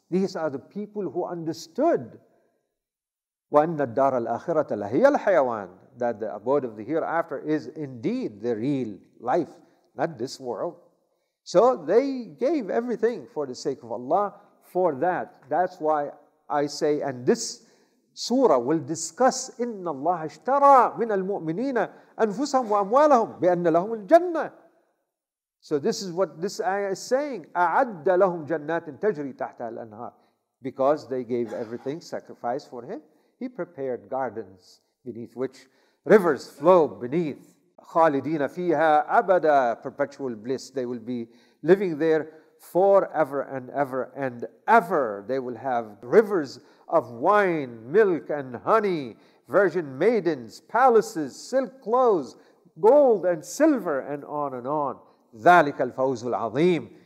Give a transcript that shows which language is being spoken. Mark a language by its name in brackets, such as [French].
[English] These are the people who understood. [Arabic] وَأَنَّ الدَّارَ الْآخِرَةَ لَهِيَ الْحَيَوَانِ, [English] that the abode of the hereafter is indeed the real life, not this world. So they gave everything for the sake of Allah for that. That's why I say, and this surah will discuss, [Arabic] إِنَّ اللَّهَ اشْتَرَى مِنَ الْمُؤْمِنِينَ أَنفُسَهُمْ وَأَمْوَالَهُمْ بِأَنَّ لَهُمُ الْجَنَّةِ. [English] So this is what this ayah is saying. [Arabic] أَعَدَّ لَهُمْ جَنَّاتٍ تَجْرِي تَحْتَهَا الْأَنْهَارِ. [English] Because they gave everything, sacrifice for him. He prepared gardens beneath which rivers flow beneath. [Arabic] خَالِدِينَ فِيهَا أَبَدًا, [English] perpetual bliss. They will be living there forever and ever and ever. They will have rivers of wine, milk and honey, virgin maidens, palaces, silk clothes, gold and silver, and on and on. [Arabic] ذَلِكَ الْفَوْزُ الْعَظِيمُ.